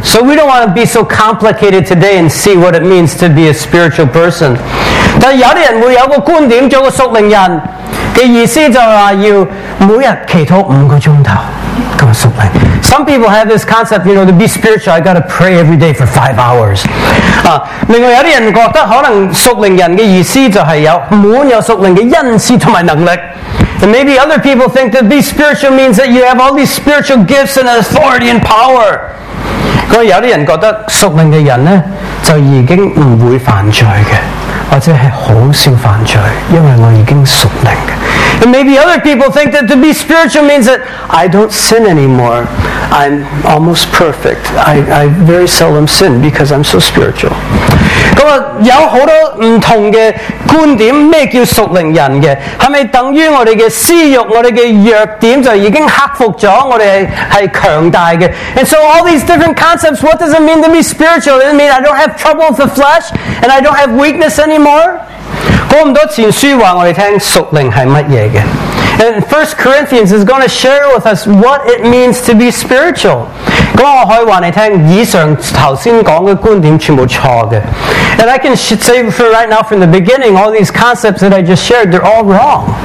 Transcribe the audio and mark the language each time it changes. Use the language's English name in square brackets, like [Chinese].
[English] So we don't want to be so complicated today and see what it means to be a spiritual person. [Cantonese] 但有人会有个观点，做个属灵人的意思就是要每天祈祷五个钟头。 [English] Some people have this concept, you know, to be spiritual, I've got to pray every day for 5 hours. [Cantonese] 另外有些人觉得可能属灵人的意思就是有满有属灵的恩赐和能力。 [English] And maybe other people think that be spiritual means that you have all these spiritual gifts and authority and power. [Cantonese] 有些人觉得属灵的人呢就已经不会犯罪的，或者是很少犯罪，因为我已经属灵的。 [English] And maybe other people think that to be spiritual means that I don't sin anymore. I'm almost perfect. I very seldom sin because I'm so spiritual. [Cantonese] 咁啊，有好多唔同嘅观点，咩叫属灵人嘅？系咪等于我哋嘅私欲、我哋嘅弱点就已经克服咗，我哋系强大嘅 [English] ？And so all these different concepts, what does it mean to be spiritual? Does it mean I don't have trouble with the flesh and I don't have weakness anymore? [Cantonese] 哥林多前书话我哋听属灵系乜嘢嘅 [English] ，and First Corinthians is going to share with us what it means to be spiritual。 [Cantonese] 咁我可以话你听，以上头先讲嘅观点全部错嘅 [English] ，and I can say for right now from the beginning, all these concepts that I just shared, they're all wrong。